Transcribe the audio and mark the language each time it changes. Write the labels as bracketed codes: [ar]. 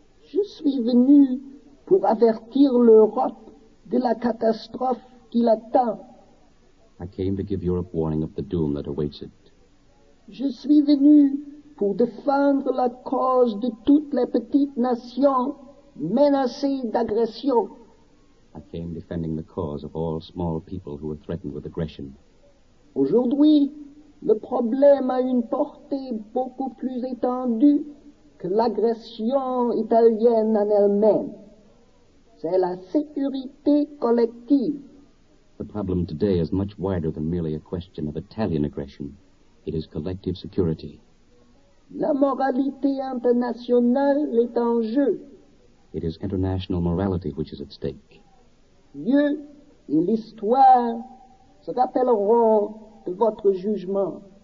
[fr] "Je suis venu pour avertir l'Europe de la catastrophe qui l'attend." [en] I came to give Europe warning of the doom that awaits it. [fr] "Je suis venu pour défendre la cause de toutes les petites nations menacées d'aggression." [en] I came defending the cause of all small people who were threatened with aggression. [fr] "Aujourd'hui, le problème a une portée beaucoup plus étendue que l'aggression italienne en elle-même. C'est la sécurité collective." [en] The problem today is much wider than merely a question of Italian aggression. It is collective security. [fr] "La moralité internationale est en jeu." [en] It is international morality which is at stake. [fr] "Dieu et l'histoire se rappelleront de votre jugement."